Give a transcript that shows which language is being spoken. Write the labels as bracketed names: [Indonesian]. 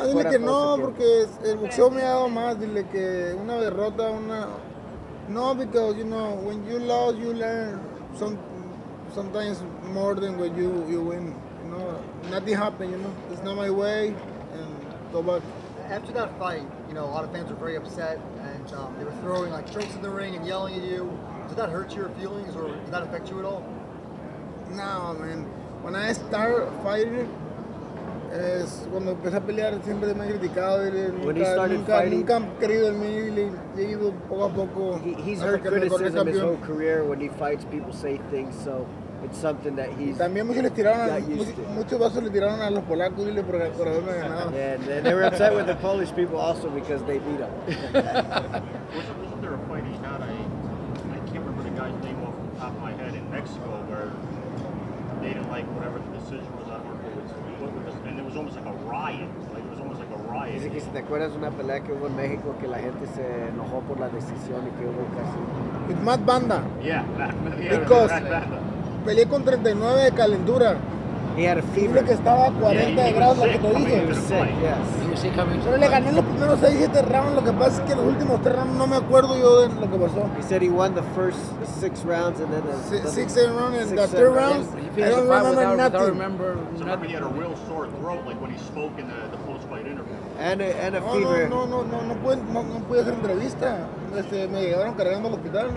[Spanish] Ah, dile que no, porque el boxeo me ha dado más. Dile que una derrota, una. [English] No, because you know, when you lose, you learn sometimes more than when you win. You know, nothing happened, you know. It's not my way, and go back. After that fight, you know, a lot of fans were very upset, and they were throwing like chokes in the ring and yelling at you. Did that hurt your feelings, or did that affect you at all? No, man. When I start fighting, [Spanish] es cuando empecé a pelear siempre me han criticado. Nunca han creído en mí. He ido poco a poco. [English] He's heard criticism his whole career. When he fights, people say things. So it's something that he's. [Spanish] También muchos le tiraron muchos vasos le tiraron a los polacos y le por haberme ganado. [English] Yeah, they were upset with the Polish people also because they beat him. Wasn't there a fight he had? I can't remember the guy's name off the top of my head in Mexico where they didn't like whatever the decision was on. And it was almost like a riot. Like, it was almost like a riot. [Spanish] Dice que si te acuerdas de una pelea que hubo en México que la gente se enojó por la decisión y que hubo casi. [English] With Matt Banda. Yeah. [Spanish] Because peleé con 39 de calentura. [English] He had a fever. [Spanish] Que estaba a 40 de grados, lo que te dije. [English] Yes. [Spanish] Pero le gané los primeros 6, 7 rounds. Lo que pasa es que los últimos 3 rounds no me acuerdo yo de lo que pasó. [English] He said he won the first 6 rounds and then the 6, 7 rounds and the 3 rounds. I don't remember nothing. I remember he had a real sore throat like when he spoke in the post-fight interview. And a fever. [Spanish] No pude hacer entrevista. Me llevaron cargando al hospital.